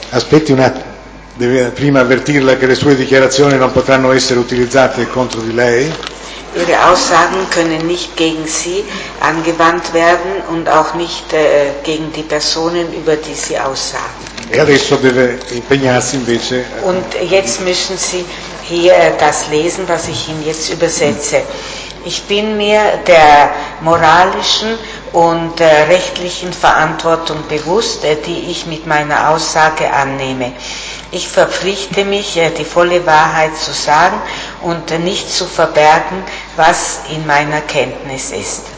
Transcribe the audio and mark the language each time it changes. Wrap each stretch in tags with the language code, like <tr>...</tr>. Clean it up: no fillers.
<it>Aspetti un attimo, deve prima avvertirla che le sue dichiarazioni non potranno essere utilizzate contro di lei.</it> <de>Ihre Aussagen können nicht gegen Sie angewandt werden und auch nicht gegen die Personen, über die Sie aussagen.</de> <it>E adesso deve impegnarsi invece.</it> <de>Und jetzt müssen Sie hier das lesen, was ich Ihnen jetzt übersetze. Ich bin mir der moralischen und rechtlichen Verantwortung bewusst, die ich mit meiner Aussage annehme. Ich verpflichte mich, die volle Wahrheit zu sagen und nicht zu verbergen, was in meiner Kenntnis ist.</de>